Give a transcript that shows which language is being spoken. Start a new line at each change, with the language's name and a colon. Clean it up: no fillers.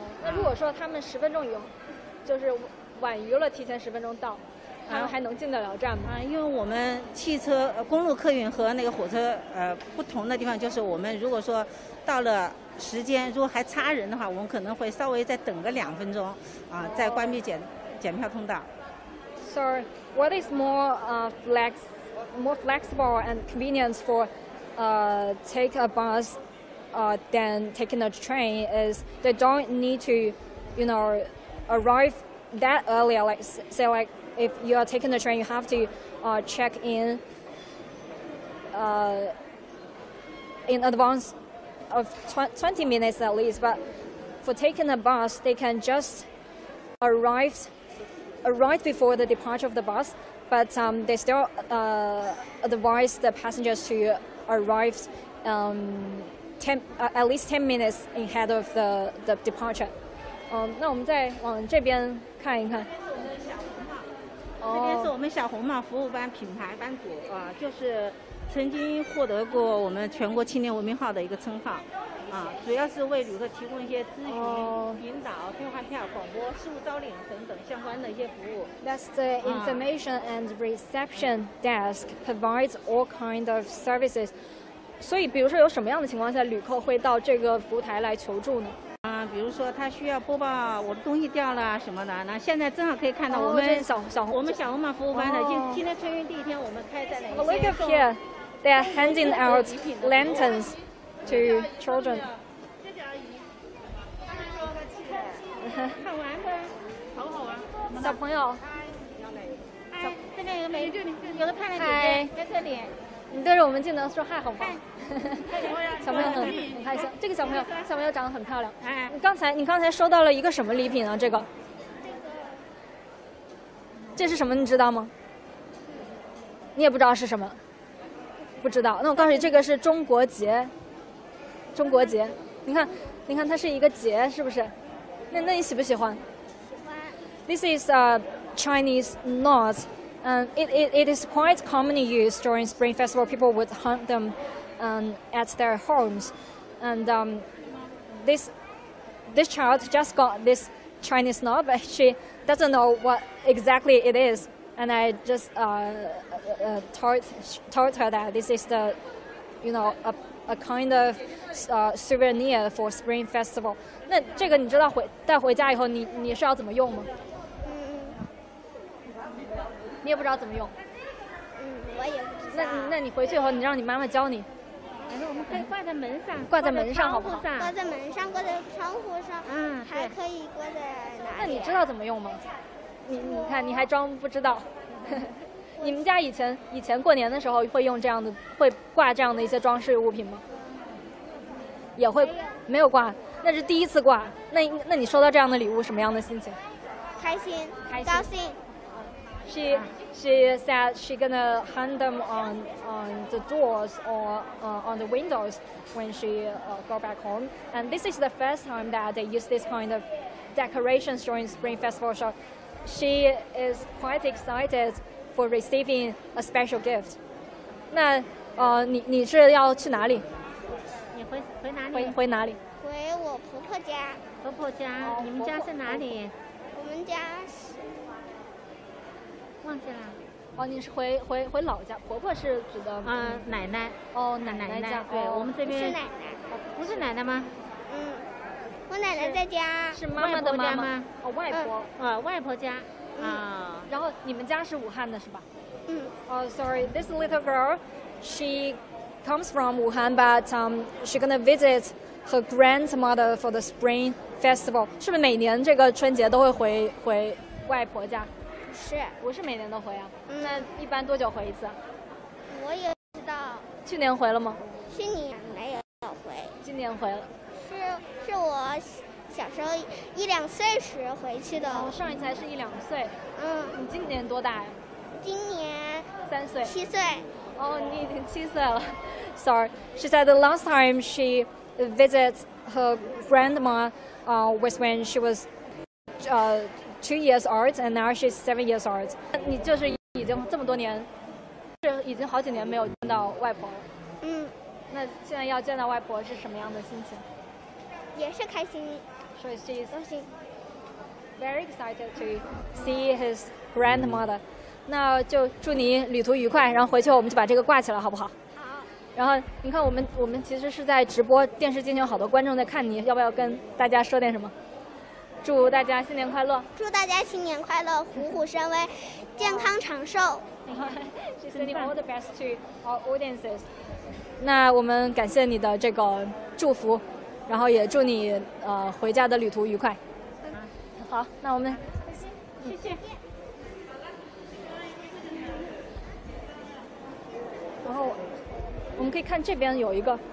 Chinese: 那如果说他们10分钟以后，就是晚于了提前10分钟到。他们还能进得了站吗？因为我们汽车、公路客运和那个火车不同的地方，就是我们如果说到了时间，如果还差人的话，我们可能会稍微再等个2分钟，再关闭检票通道。
English: So, what is more flexible and convenient for take a bus than taking a train is they don't need to, you know, arrive that earlier. Like. If you are taking the train, you have to check in advance of 20 minutes at least. But for taking a bus, they can just arrive before the departure of the bus. But they still advise the passengers to arrive at least 10 minutes ahead of the departure.
Chinese: 那我们再往这边看一看。这边是我们小红帽服务班品牌班主啊，就是曾经获得过我们全国青年文明号的一个称号，主要是为旅客提供一些咨询、引导、兑换票、广播、事务招领等等相关的一些服务。
English: That's the information and reception desk provides all kind of services.
Chinese: 所以，比如说有什么样的情况下，旅客会到这个服务台来求助呢？比如说他需要播报我的东西掉了什么的，那现在正好可以看到我们小红帽服务班的，今天春运第一天，我们开在哪
English: ？Look up here, they are handing out lanterns to children.
Chinese: 看完呗，好好玩。小朋友，嗨，这边有个美女，有个漂亮姐姐在这里。你对着我们镜头说嗨好不好？小朋友很开心。这个小朋友长得很漂亮。你刚才收到了一个什么礼品啊？这是什么你知道吗？你也不知道是什么？不知道。那我告诉你，这个是中国结，中国结。你看，你看，它是一个结，是不是？那你喜不喜欢？喜欢。
English: This is a Chinese knot, and it is quite commonly used during Spring Festival. People would hunt them, at their homes, and this child just got this Chinese knot, but she doesn't know what exactly it is. And I just told her that this is the, you know, a kind of souvenir for Spring Festival.
Chinese: 那这个你知道回带回家以后你是要怎么用吗？嗯，你也不知道怎么用。嗯，我也不知道。那你回去以后，你让你妈妈教你。我们可以挂在门上，挂在门上好不好？挂在门上，挂在窗户上，嗯，还可以挂在哪里？那你知道怎么用吗？你看，你还装不知道。你们家以前过年的时候会用这样的，会挂这样的一些装饰物品吗？也会，没有挂，那是第一次挂。那你收到这样的礼物什么样的心情？开心，高兴。
English: She said she gonna hang them on the doors or on the windows when she go back home. And this is the first time that they use this kind of decorations during Spring Festival show. She is quite excited for receiving a special gift.
Chinese: 那你是要去哪里？你回哪里？回哪里？回我婆婆家。婆婆家，你们家是哪里？我们家是。忘记了，哦，你是回老家，婆婆是指的奶奶，哦，奶家，对，我们这边是奶奶，不是奶奶吗？嗯，我奶奶在家，是妈妈的妈妈，哦，外婆，外婆家，然后你们家是武汉的是吧？嗯，
English: 哦，sorry, this little girl, she comes from Wuhan, but she's gonna visit her grandmother for the Spring Festival.
Chinese: 是不是每年这个春节都会回外婆家？是，不是每年都回啊？那一般多久回一次？我也不知道。去年回了吗？去年没有回。今年回了。是我小时候一两岁时回去的。哦，上一次还是一两岁。嗯。你今年多大呀？今年三岁。七岁。哦，你已经七岁了。
English: Sorry, she said the last time she visited her grandma, was when she was,2 years old, and now she's 7 years old.
Chinese: 你就是已经这么多年，是已经好几年没有见到外婆了。嗯。那现在要见到外婆是什么样的心情？也是开心。所以
English: she's
Chinese: 高兴。
English: Very excited to see his grandmother.
Chinese: 那就祝你旅途愉快，然后回去我们就把这个挂起来，好不好？好。然后你看，我们其实是在直播，电视机前有好多观众在看你，要不要跟大家说点什么？祝大家新年快乐！祝大家新年快乐，虎虎生威，健康长寿。
English: She's sending all the best to our audiences.
Chinese: 那我们感谢你的这个祝福，然后也祝你回家的旅途愉快。好，那我们谢谢。然后我们可以看这边有一个